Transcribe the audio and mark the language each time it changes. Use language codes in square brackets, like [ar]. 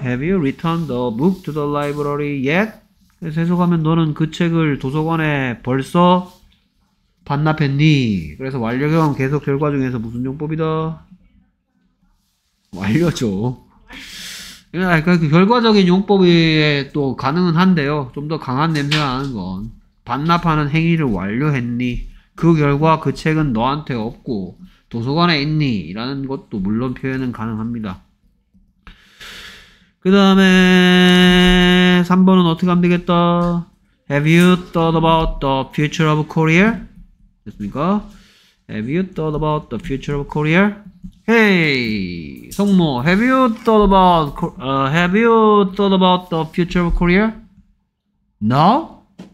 [en] Have you returned the book to the library yet? [ko] 그래서 해석하면 너는 그 책을 도서관에 벌써 반납했니? 그래서 완료형 계속 결과 중에서 무슨 용법이다? 완료죠. 그 결과적인 용법이 또 가능은 한데요. 좀 더 강한 냄새가 나는 건 반납하는 행위를 완료했니? 그 결과 그 책은 너한테 없고 도서관에 있니? 라는 것도 물론 표현은 가능합니다. 그 다음에 3번은 어떻게 하면 되겠다? [en] Have you thought about the future of Korea? [ko] 됐습니까? [en] Have you thought about the future of Korea? Hey, 성모, have you thought about the future of Korea? No?